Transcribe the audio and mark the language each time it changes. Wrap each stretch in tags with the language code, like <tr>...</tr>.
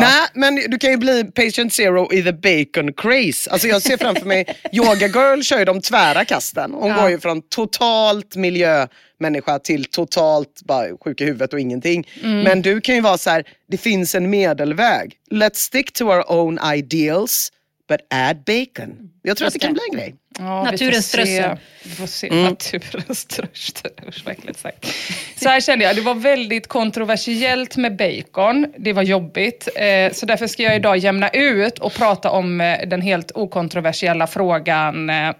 <sv>Nej, men du kan ju bli patient zero i the bacon craze. Alltså jag ser framför mig, Yoga Girl kör ju de tvära kasten. Hon går ju från totalt miljömänniska till totalt bara sjuk i huvudet och ingenting. Men du kan ju vara så här, det finns en medelväg.</sv> <en>Let's stick to our own ideals, but add bacon.</en> <sv>Jag tror att det kan bli en grej. Ja, naturens strössel. Vi får se. Naturens strössel. Så här kände jag. Det var väldigt kontroversiellt med bacon. Det var jobbigt. Så därför ska jag idag jämna ut och prata om den helt okontroversiella frågan.</sv>